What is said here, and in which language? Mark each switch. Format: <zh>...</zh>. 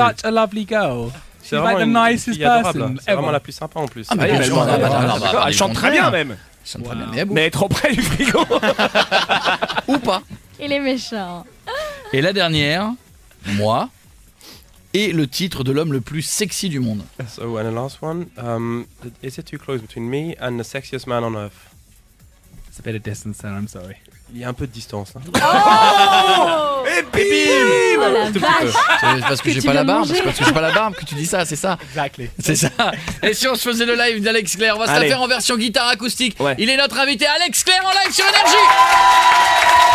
<en>She's such a lovely girl. She's like the nicest person ever.</en> <fr>C'est vraiment la plus sympa en plus. Ah, mais bien sûr. Elle chante très bien, même. Elle chante très bien, mais elle est trop près du frigo. Ou pas. Il est méchant. Et la dernière, moi, et le titre de l'homme le plus sexy du monde.</fr> <en>So, and the last one, is it too close between me and the sexiest man on earth? It's a bit of distance, then, I'm sorry.</en> <fr>Il y a un peu de distance. Hein. Oh et bim oh la vache. C'est parce que j'ai pas la barbe, c'est parce que j'ai pas la barbe que tu dis ça, c'est ça.</fr> <en>Exactly.</en> <fr>C'est ça. Et si on se faisait le live d'Alex Clair, on va se la faire en version guitare acoustique. Ouais. Il est notre invité Alex Clair en live sur Energy.</fr>